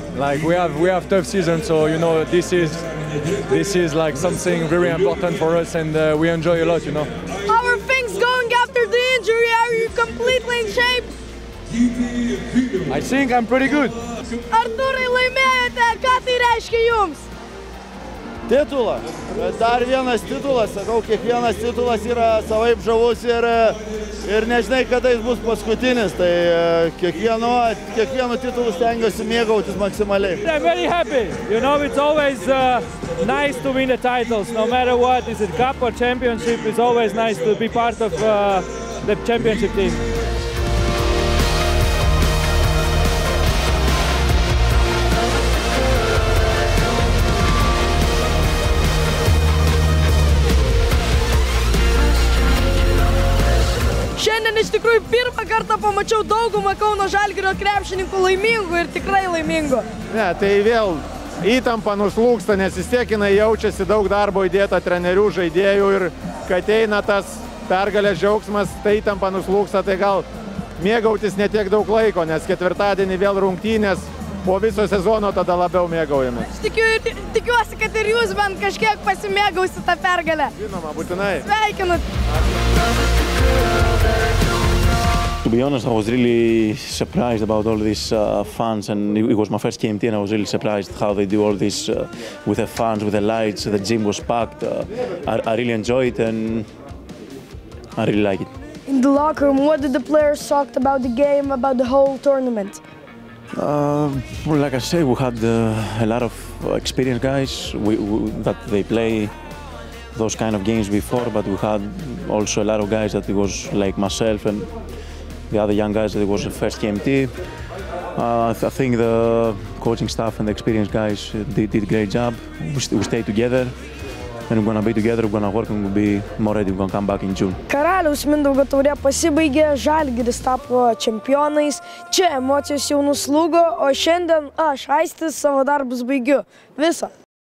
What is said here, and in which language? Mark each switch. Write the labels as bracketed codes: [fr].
[en] Like we have tough season, so you know this is like something very important for us, and we enjoy a lot, you know. How are things going after the injury? Are you completely in shape? I think I'm pretty good. [lt] Arturai, laimėjote, ką tai reiškia jums? Titulą. Dar vienas titulas, sakau, kiekvienas titulas yra savaip žavus ir nežinai, kada jis bus paskutinis, tai kiekvieno titulu stengiuosi mėgautis maksimaliai. [en] I'm very happy. You know, it's always nice to win the titles, no matter what, is it cup or championship, it's always nice to be part of the championship team. [lt] Šiandien iš tikrųjų pirmą kartą pamačiau daugumą Kauno Žalgirio krepšininkų laimingų ir tikrai laimingų. Ne, tai vėl įtampa nuslūksta, nes vis tiek jinai jaučiasi daug darbo įdėta trenerių, žaidėjų ir kai ateina tas pergalės džiaugsmas, tai įtampa nuslūksta, tai gal mėgautis ne tiek daug laiko, nes ketvirtadienį vėl rungtynės. Po viso sezono tada labiau mėgaujame. Aš tikiuosi, kad ir jūs bent kažkiek pasimėgausi tą pergalę. Žinoma, būtinai. Sveikinu. [en] To be honest, I was really surprised about all these fans, and it was my first KMT, and I was really surprised how they do all this with the fans, with the lights, the gym was packed. I really enjoyed it, and I really like it. In the locker room, what did the players talk about the game, about the whole tournament? Like I say, we had a lot of experienced guys that they play those kind of games before, but we had also a lot of guys that it was like myself and the other young guys that it was the first KMT. I think the coaching staff and the experienced guys did a great job. We stayed together. And we're going to be together, we're going to work and we'll be more ready, we're going to come back in June. [lt] Karaliaus Mindaugo taurė pasibaigė, Žalgiris tapo čempionais, čia emocijos jau nuslūgo, o šiandien aš, Aistis, savo darbus baigiu. Viso.